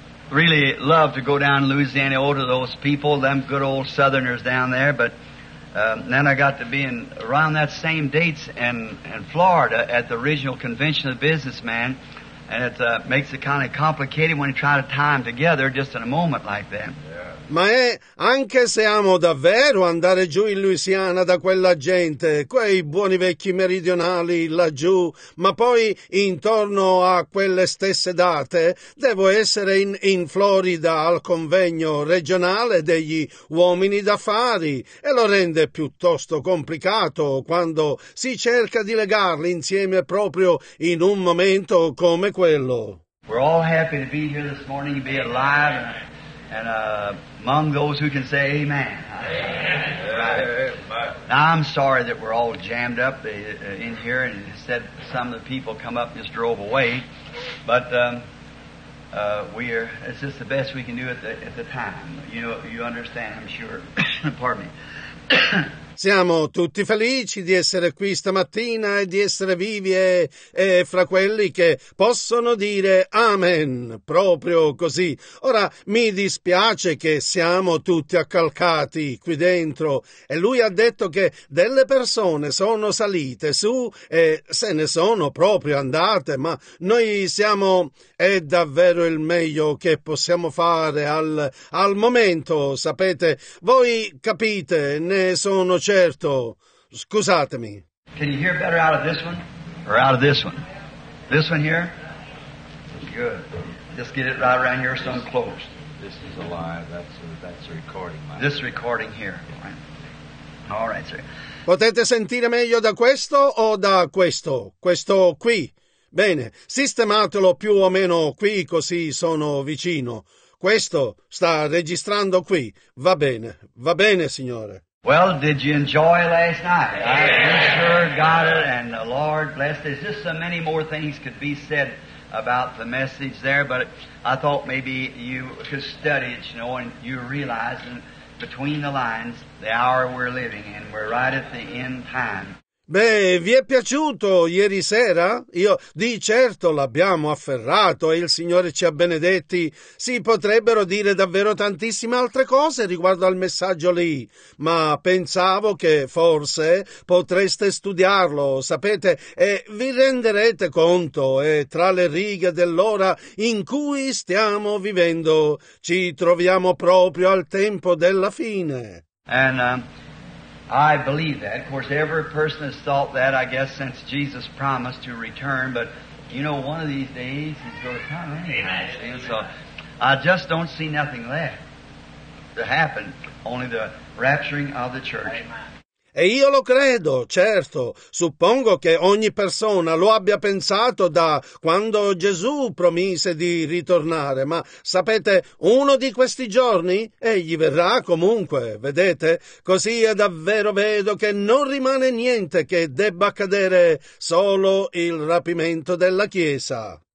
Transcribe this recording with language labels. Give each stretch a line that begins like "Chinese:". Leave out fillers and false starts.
English: Really love to go down to Louisiana, all to those people, them good old Southerners down there. But then I got to being around that same dates in Florida at the original convention of the businessman, and it makes it kind of complicated when you try to tie them together just in a moment like that.
Italian: Ma è, anche se amo davvero andare giù in Louisiana da quella gente, quei buoni vecchi meridionali laggiù, ma poi intorno a quelle stesse date devo essere in Florida al convegno regionale degli uomini d'affari e lo rende piuttosto complicato quando si cerca di legarli insieme proprio in un momento come quello.
English: We're all happy to be here this morning, to be alive and among those who can say amen. Right. Now, I'm sorry that we're all jammed up in here and instead some of the people come up and just drove away. But it's just the best we can do at the time. You understand, I'm sure. Pardon me.
Italian: Siamo tutti felici di essere qui stamattina e di essere vivi e fra quelli che possono dire amen, proprio così. Ora, mi dispiace che siamo tutti accalcati qui dentro e lui ha detto che delle persone sono salite su e se ne sono proprio andate, ma noi siamo, è davvero il meglio che possiamo fare al momento, sapete, voi capite, ne sono certo. Certo, scusatemi.
English: Can you hear better out of this one? Or out of this one? This one here? Good. Just get it right around here so I'm close. This is alive. That's a recording. This recording here. Right. All right, sir.
Italian: Potete sentire meglio da questo o da questo? Questo qui. Bene, sistematelo più o meno qui così sono vicino. Questo sta registrando qui. Va bene, signore.
English: Well, did you enjoy last night? I sure got it, and the Lord blessed it. There's just so many more things could be said about the message there, but I thought maybe you could study it, you know, and you realize, and between the lines, the hour we're living in, we're right at the end time.
Italian: Beh, vi è piaciuto ieri sera? Io di certo l'abbiamo afferrato e il Signore ci ha benedetti. Si potrebbero dire davvero tantissime altre cose riguardo al messaggio lì, ma pensavo che forse potreste studiarlo, sapete, e vi renderete conto e tra le righe dell'ora in cui stiamo vivendo ci troviamo proprio al tempo della fine.
English: I believe that. Of course, every person has thought that, I guess, since Jesus promised to return. But, you know, one of these days, he's going to come. Amen. So I just don't see nothing left to happen, only the rapturing of the church. Amen.
Italian: E io lo credo, certo. Suppongo che ogni persona lo abbia pensato da quando Gesù promise di ritornare. Ma sapete, uno di questi giorni egli verrà comunque, vedete? Così è davvero vedo che non rimane niente che debba accadere, solo il rapimento della Chiesa.